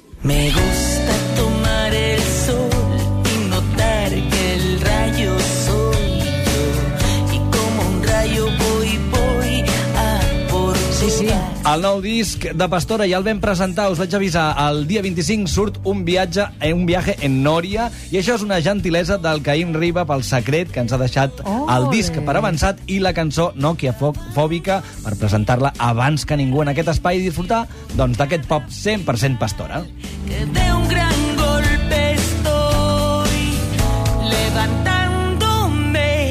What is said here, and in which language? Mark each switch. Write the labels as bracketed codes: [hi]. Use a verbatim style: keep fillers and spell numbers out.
[es] Me gusta tomar el sol y notar que el rayo soy yo. Y como un rayo voy, voy a por sí, sí. [ca] El nou disc de Pastora ja el vam presentar, us vaig avisar, el dia vint-i-cinc surt un viatge, un viaje en Noria, i això és una gentilesa del Caim Riba pel secret que ens ha deixat oh, el disc per avançat i la cançó Noquiafòbica per presentar-la abans que ningú en aquest espai i disfrutar doncs d'aquest pop cent per cent Pastora. [es] Que de un gran golpe estoy levantándome.